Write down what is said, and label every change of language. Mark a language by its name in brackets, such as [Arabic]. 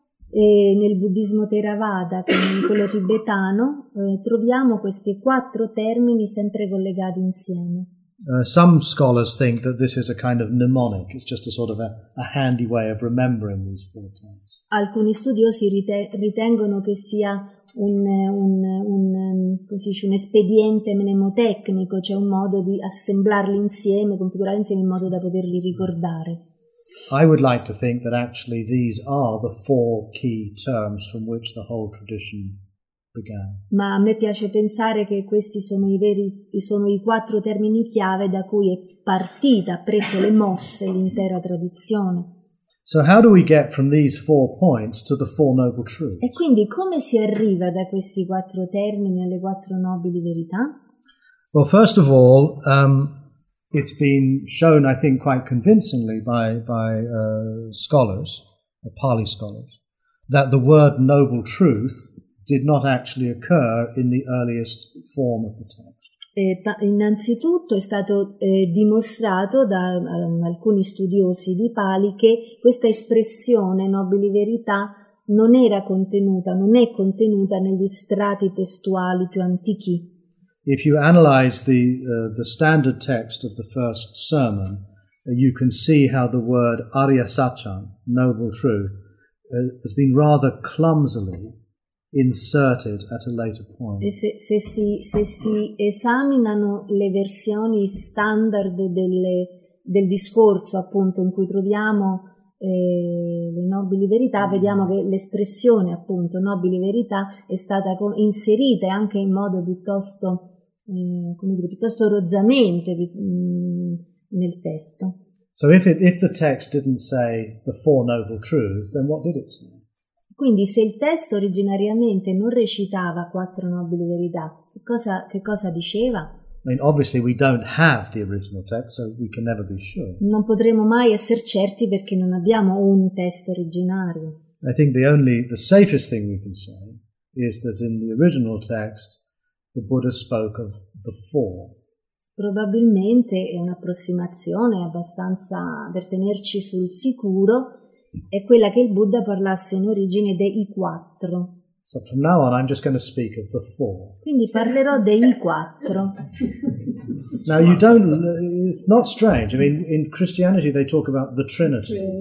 [Italian] E nel buddismo Theravada, come in quello tibetano, troviamo questi quattro termini sempre collegati insieme. [English] Some scholars think that this is a kind of mnemonic, it's just a sort of a handy way of remembering these four terms. [Italian] Alcuni studiosi ritengono che sia un espediente mnemotecnico, cioè un modo di assemblarli insieme, configurarli insieme in modo da poterli ricordare. [English] I would like to think that actually these are the four key terms from which the whole tradition began. [Italian] Ma a me piace pensare che questi sono i quattro termini chiave da cui è partita, preso le mosse l'intera tradizione. [English] So how do we get from these four points to the four noble truths? [Italian] E quindi come si arriva da questi quattro termini alle quattro nobili verità? [English] Well, first of all, it's been shown, I think, quite convincingly by scholars, Pali scholars, that the word noble truth did not actually occur in the earliest form of the text. [Italian] Innanzitutto è stato dimostrato da alcuni studiosi di Pali che questa espressione nobili verità non è contenuta negli strati testuali più antichi. [English] If you analyze the standard text of the first sermon, you can see how the word Arya Satchan, noble truth, has been rather clumsily inserted at a later point. [Italian] Se si esaminano le versioni standard delle del discorso appunto in cui troviamo le nobili verità, vediamo che l'espressione appunto nobili verità è stata inserita anche in modo piuttosto, come dire, piuttosto rozzamente nel testo. [English] So if the text didn't say the four noble truths, then what did it say? [Italian] Quindi se il testo originariamente non recitava quattro nobili verità, che cosa diceva? [English] I mean, obviously we don't have the original text, so we can never be sure. [Italian] Non potremo mai essere certi perché non abbiamo un testo originario. [English] I think the safest thing we can say is that in the original text the Buddha spoke of the four. [Italian] Probabilmente è un'approssimazione abbastanza per tenerci sul sicuro, è quella che il Buddha parlasse in origine dei quattro. [English] So from now on I'm just going to speak of the four. [Italian] Quindi parlerò dei quattro. [English] Now you don't, it's not strange. I mean, in Christianity they talk about the Trinity.